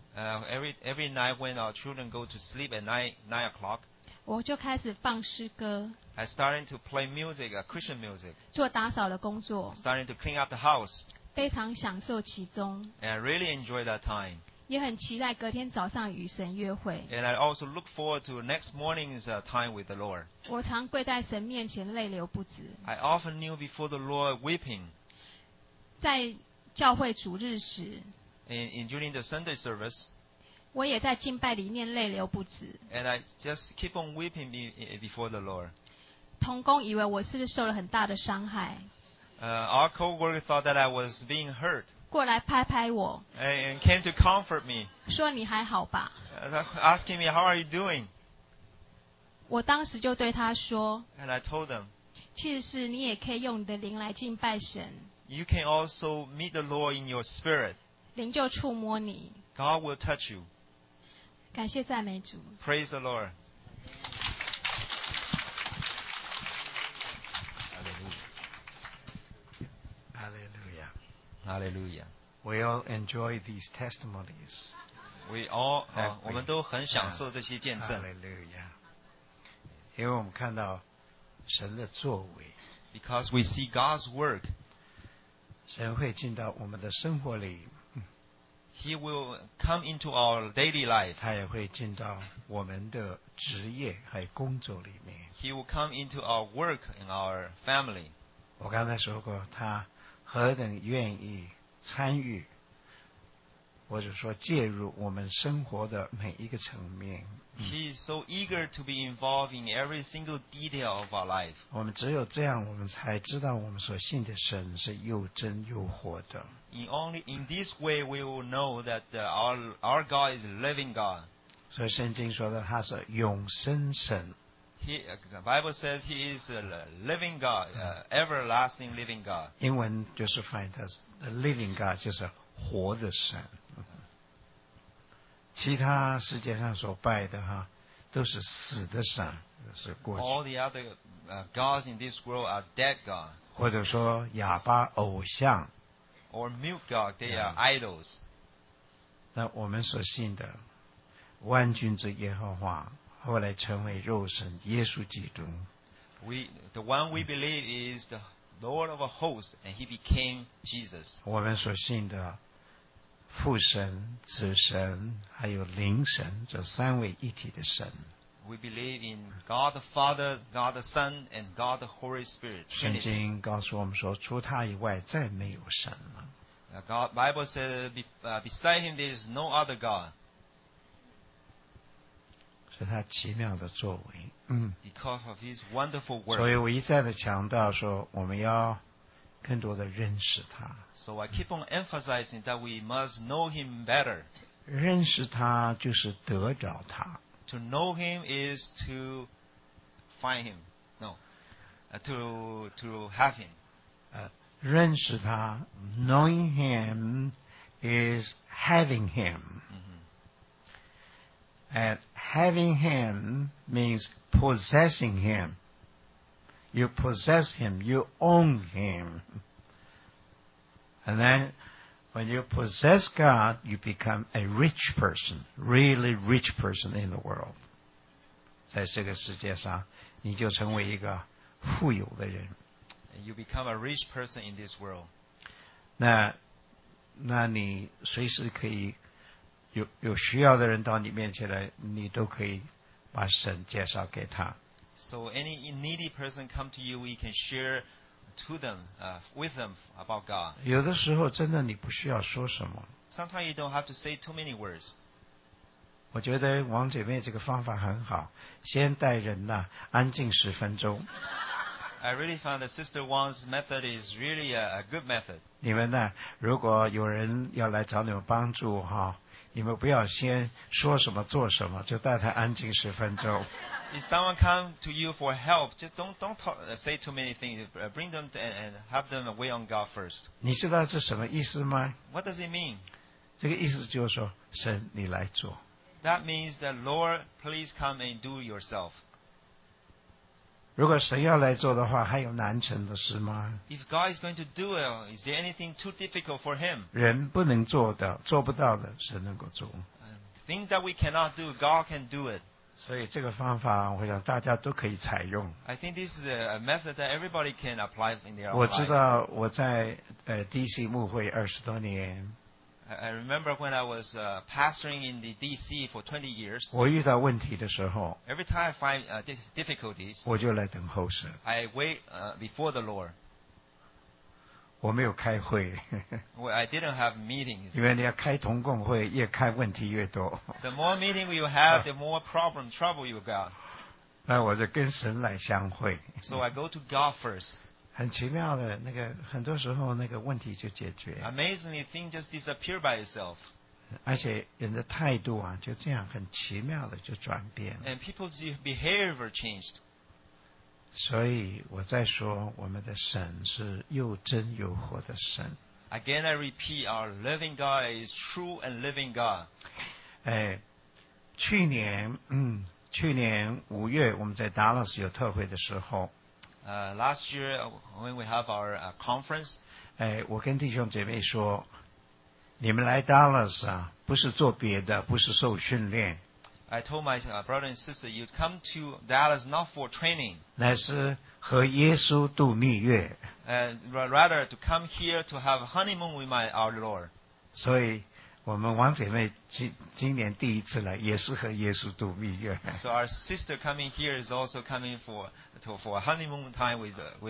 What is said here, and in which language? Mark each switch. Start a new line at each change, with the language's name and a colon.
English: every night when our children go to sleep at nine o'clock,
Chinese: 我就开始放诗歌。
English: I starting to play music, Christian music.
Chinese: 做打扫的工作。
English: Starting to clean up the house.
Chinese: 非常享受其中。
English: And I really enjoy that time.
Chinese: 也很期待隔天早上与神约会。
English: And I also look forward to next morning's time with the Lord.
Chinese: 我常跪在神面前泪流不止。
English: I often kneel before the Lord weeping.
Chinese: 在教会主日时。
English: In during the Sunday service,
Chinese: 我也在敬拜里面泪流不止。
English: And I just keep on weeping before the Lord.
Chinese: 同工以为我是不是受了很大的伤害。
English: Our co-worker thought that I was being hurt.
Chinese: 过来拍拍我。
English: And came to comfort me.
Chinese: 说你还好吧。
English: Asking me how are you doing.
Chinese: 我当时就对他说。
English: And I told them.
Chinese: 其实是你也可以用你的灵来敬拜神。
English: You can also meet the Lord in your spirit.
Chinese: 灵就触摸你。
English: God will touch you.
Chinese: 感谢赞美主。
English: Praise the Lord. Hallelujah. Hallelujah. Hallelujah. We all enjoy these testimonies. We all,
Chinese: 我们都很享受这些见证。
English: Hallelujah.
Chinese: 因为我们看到神的作为。
English: Because we see God's work.
Chinese: 神会进到我们的生活里。
English: He will come into our daily life.
Chinese: 他也会进到我们的职业和工作里面。
English: He will come into our work in our family.
Chinese: 我刚才说过，他何等愿意参与，或者说介入我们生活的每一个层面。
English: He is so eager to be involved in every single detail of our life.
Chinese: 我们只有这样，我们才知道我们所信的神是又真又活的。
English: In this way, we will know that our God is a living God.
Chinese: 所以圣经说的他是永生神。
English: The Bible says he is a living God, everlasting living God.
Chinese: 英文就是翻译成
English: the living God,
Chinese: 就是活的神。其他世界上所拜的哈，都是死的神，是过去。
English: All the other gods in this world are dead gods.
Chinese: 或者说哑巴偶像。
English: Or milk god, they are idols.
Chinese: 那我们所信的万军之耶和华后来成为肉身耶稣基督。
English: the one we believe is the Lord of a host, and he became Jesus.
Chinese: 我们所信的父神、子神还有灵神，这三位一体的神。
English: We believe in God the Father, God the Son, and God the Holy Spirit.
Chinese: 圣经告诉我们说，除他以外再没有神了。
English: God Bible says, beside him there is no other God.
Chinese: 是他奇妙的作为。
English: Because of his wonderful work.
Chinese: 所以我一再的强调说，我们要更多的认识他。
English: So I keep on emphasizing that we must know him better.
Chinese: 认识他就是得着他。
English: To know him is to find him. No. To have him.
Chinese: 认识他,
English: knowing him is having him. Mm-hmm. And having him means possessing him. You possess him. You own him. And then when you possess God, you become a rich person, really rich person in the world.
Chinese: 在这个世界上，你就成为一个富有的人。
English: You become a rich person in this world.
Chinese: 那你随时可以有需要的人到你面前来，你都可以把神介绍给他。
English: So any needy person come to you, we can share. To them, with them about God.
Chinese: 有的时候真的你不需要说什么。
English: Sometimes you don't have to say too many words.
Chinese: 我觉得王姐妹这个方法很好，先带人呐，安静十分钟。
English: I really found that Sister Wang's method is really a good method.
Chinese: 你们呢，如果有人要来找你们帮助哈，你们不要先说什么做什么，就带他安静十分钟。
English: If someone come to you for help, just don't talk, say too many things. Bring them to, and have them wait on God first.
Chinese: 你知道这什么意思吗?
English: What does it mean?
Chinese: 这个意思就是说，神你来做。
English: That means that Lord, please come and do yourself.
Chinese: 如果神要来做的话，还有难成的事吗?
English: If God is going to do it, is there anything too difficult for him?
Chinese: 人不能做的，做不到的，神能够做。
English: Things that we cannot do, God can do it.
Chinese: 所以这个方法我想大家都可以采用。
English: I think this is a method that everybody can apply in their life.
Chinese: 我知道我在DC 牧会二十多年。
English: I remember when I was pastoring in the DC for 20 years.
Chinese: 我遇到问题的时候。
English: Every time I find difficulties.
Chinese: 我就来等候神。
English: I wait before the Lord.
Chinese: 我没有开会。
English: Well, I didn't have meetings.
Chinese: 因为你要开同工会，越开问题越多。
English: The more meeting you have, the more problem, trouble you got.
Chinese: 那我就跟神来相会。
English: So I go to God first.
Chinese: 很奇妙的，那个很多时候那个问题就解决。
English: Amazingly, things just disappear by itself.
Chinese: 而且人的态度啊，就这样很奇妙的就转变。
English: And people's behavior changed.
Chinese: 所以我在说，我们的神是又真又活的神。
English: Again, I repeat, our living God is true and living God.
Chinese: 去年五月我们在 Dallas 有特会的时候。
English: Last year when we have our conference.
Chinese: 我跟弟兄姐妹说，你们来 Dallas 啊，不是做别的，不是受训练。
English: I told my brother and sister, you come to Dallas not for training.
Chinese: 乃是和耶稣度蜜月。
English: Rather to come here to have honeymoon with our Lord.
Chinese: 所以我们王姐妹今年第一次来，也是和耶稣度蜜月。
English: So our sister coming here is also coming for a honeymoon time with the